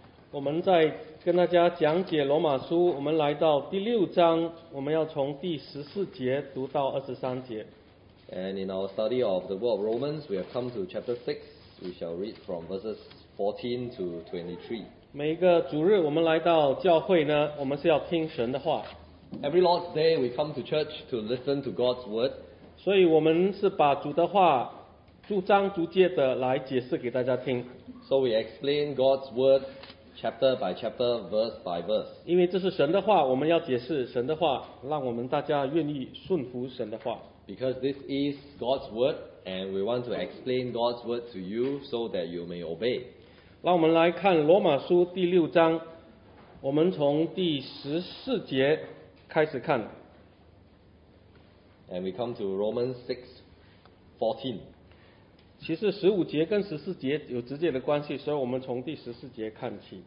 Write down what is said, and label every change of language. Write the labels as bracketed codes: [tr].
[zh] 我们在跟大家讲解罗马书，我们来到第六章，我们要从第十四节读到二十三节。 [en] And in our study of the book of Romans, we have come to chapter 6. We shall read from verses 14 to 23. [zh] 每个主日我们来到教会呢，我们是要听神的话。 [en] Every Lord's Day, we come to church to listen to God's word. [zh] 所以我们是把主的话逐章逐节的来解释给大家听。 [en] So we explain God's word chapter by chapter, verse by verse. [zh] 因为这是神的话，我们要解释神的话，让我们大家愿意顺服神的话。 [en] Because this is God's word, and we want to explain God's word to you so that you may obey. [zh] 让我们来看罗马书第六章，我们从第十四节开始看。 [en] And we come to Romans 6, 14. [zh] 其实十五节跟十四节有直接的关系，所以我们从第十四节看起。